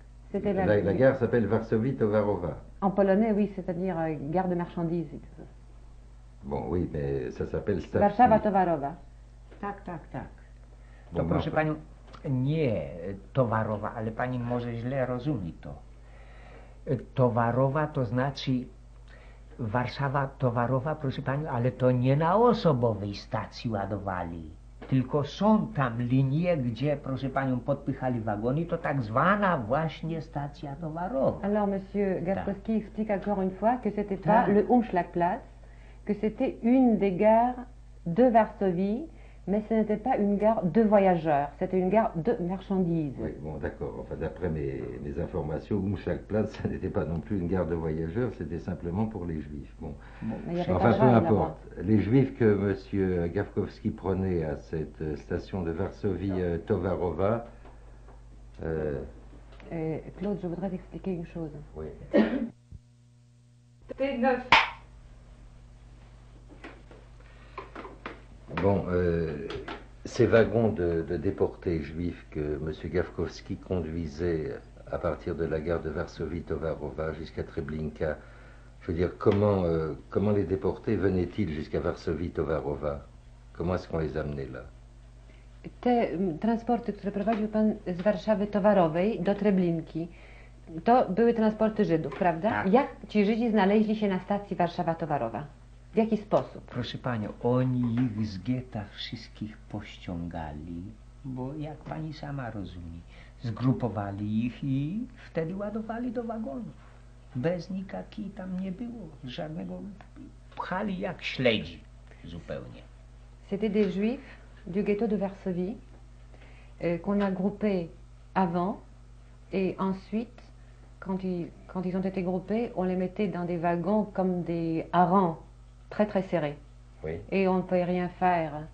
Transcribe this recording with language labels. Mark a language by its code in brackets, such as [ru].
[fr] C'était la gare s'appelle Varsovie-Towarowa. En polonais, oui, c'est-à-dire gare de marchandises. Bon, oui, mais ça s'appelle Stavski. [pl] Warszawa-Towarowa. Tac. Bon, to proszę panią, nie Towarowa, ale pani może źle rozumie to. Towarowa to znaczy... Warszawa towarowa, proszę pani, ale to nie na osobowej stacji ładowali. Tylko są tam linie, gdzie, proszę panią, podpychali wagony, to tak zwana właśnie stacja towarowa. [fr] Alors monsieur Gaskowski explique encore une fois que c'était pas le Umschlagplatz, que c'était une des gares de Varsovie, mais ce n'était pas une gare de voyageurs, c'était une gare de marchandises. Oui, bon, d'accord. Enfin, d'après mes informations, Umschlagplatz, ça n'était pas non plus une gare de voyageurs, c'était simplement pour les Juifs. Bon, enfin, peu importe. Les Juifs que M. Gawkowski prenait à cette station de Varsovie-Towarowa... Claude, je voudrais t'expliquer une chose. Oui. T9. Bon, ces wagons de déportés juifs que M. Gawkowski conduisait à partir de la gare de Varsovie-Towarowa jusqu'à Treblinka, je veux dire, comment les déportés venaient-ils jusqu'à Varsovie-Towarowa? Comment est-ce qu'on les amenait là? [pl] Te transporty, które prowadził pan z Warszawy Towarowej do Treblinki, to były transporty Żydów, prawda? Tak. Jak ci Żydzi znaleźli się na stacji Warszawa Towarowa? W jaki sposób? Proszę panią, oni ich z getta wszystkich pościągali, bo jak pani sama rozumie, zgrupowali ich i wtedy ładowali do wagonów. Bez nikaki tam nie było żadnego, pchali jak śledzi zupełnie. [fr] C'était des Juifs du ghetto de Varsovie qu'on a groupé avant et ensuite quand ils ont été groupés, on les mettait dans des wagons comme des harengs. Très très serré. Oui. Et on ne pouvait rien faire.